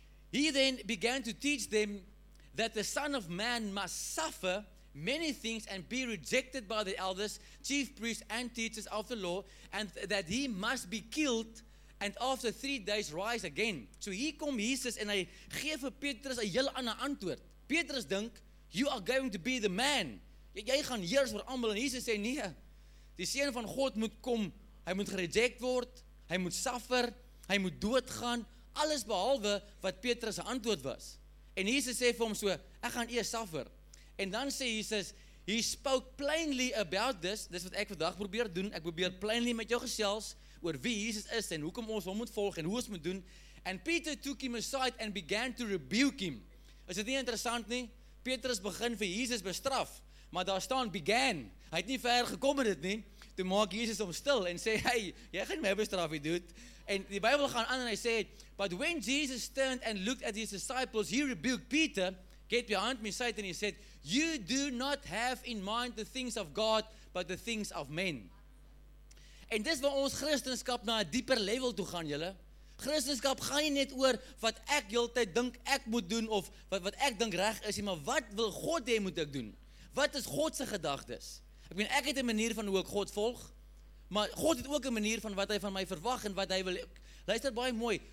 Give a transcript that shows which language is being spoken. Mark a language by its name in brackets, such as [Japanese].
[English] "He then began to teach them that the Son of Man must suffer many things and be rejected by the elders, chief priests and teachers of the law, and that he must be killed and after 3 days rise again." [Afrikaans] So hier kom Jesus en hy gee vir Petrus 'n heel ander antwoord. Petrus dink, [English] "You are going to be the man. [Afrikaans] Jy gaan heers oor almal." En Jesus sê, "Nee. Die Seun van God moet kom. Hy moet gereject word. Hy moet suffer. Hy moet doodgaan." Alles behalwe wat Petrus se antwoord was. En Jesus sê vir hom so, "Ek gaan eers suffer." En dan sê Jesus, [English] "He spoke plainly about this." [Afrikaans] Dis wat ek vandag probeer doen. Ek probeer plainly met jou gesels oor wie Jesus is en hoekom ons hom moet volg en hoe ons moet doen. [English] "And Peter took him aside and began to rebuke him." [Afrikaans] Is dit nie interessant nie? Petrus begin vir Jesus bestraf, maar daar staan began. Hy het nie ver gekom met dit nie. Toe maak Jesus hom stil en sê, hey, jy gaan my bestraf nie, dude. En die Bybel gaan aan en hy sê, [English] but when Jesus turned and looked at his disciples, he rebuked Peter, get behind me, Satan, he said, you do not have in mind the things of God, but the things of men. [Afrikaans] En dis waar ons Christenskap na 'n dieper level toe gaan, julle. Christenskap gaan nie net oor wat ek heeltyd dink ek moet doen of wat ek dink reg is, maar wat wil God hê moet ek doen? Wat is God se gedagtes? Ek meen ek het 'n manier van hoe ek God volg, maar God het ook 'n manier van wat hy van my verwag en wat hy wil. Luister baie mooi.